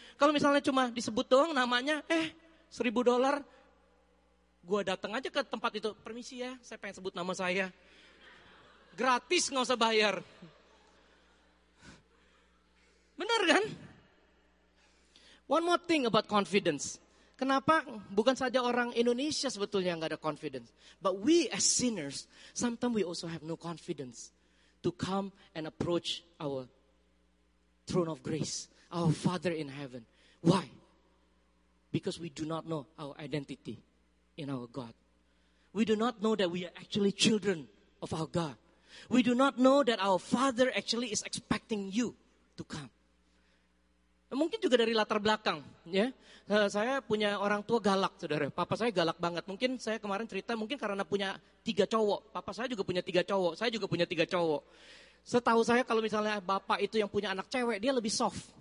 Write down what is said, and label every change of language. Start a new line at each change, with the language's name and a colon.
Indonesian: Kalau misalnya cuma disebut doang namanya, $1,000, gue datang aja ke tempat itu, permisi ya, saya pengen sebut nama saya. Gratis, gak usah bayar. Benar kan?
English: One more thing about confidence.
Indonesian: Kenapa? Bukan saja orang Indonesia sebetulnya yang gak ada confidence.
English: But we as sinners, sometimes we also have no confidence to come and approach our throne of grace, our Father in heaven. Why? Because we do not know our identity in our God. We do not know that we are actually children of our God. We do not know that our Father actually is expecting you to come.
Indonesian: Mungkin juga dari latar belakang, ya. Saya punya orang tua galak, saudara. Papa saya galak banget. Mungkin saya kemarin cerita, mungkin karena punya 3 cowok. Papa saya juga punya 3 cowok. Saya juga punya 3 cowok. Setahu saya, kalau misalnya bapak itu yang punya anak cewek, dia lebih soft.